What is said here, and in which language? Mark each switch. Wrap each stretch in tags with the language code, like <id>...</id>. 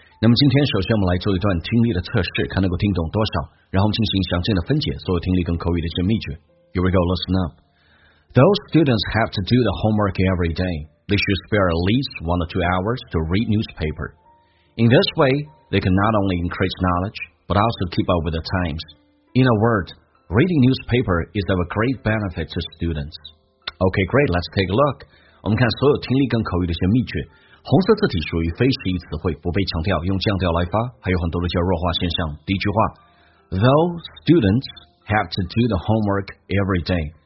<zh>那么今天首先我们来做一段听力的测试，看能够听懂多少，然后我们进行详尽的分解所有听力跟口语的一些秘诀。</zh> <en>Here we go, listen up. Those students have to do the homework every day. They should spare at least 1 or 2 hours to read newspaper. In this way, they can not only increase knowledge, but also keep up with the times. In a word, reading newspaper is of a great benefit to students. Okay, great, let's take a look.</en> <zh>我们看所有听力跟口语的一些秘诀。红色字体属于非习词汇，不被强调，用降调来发，还有很多的叫弱化现象。第一句话，</zh> <en>Though students have to do the homework every day.</en>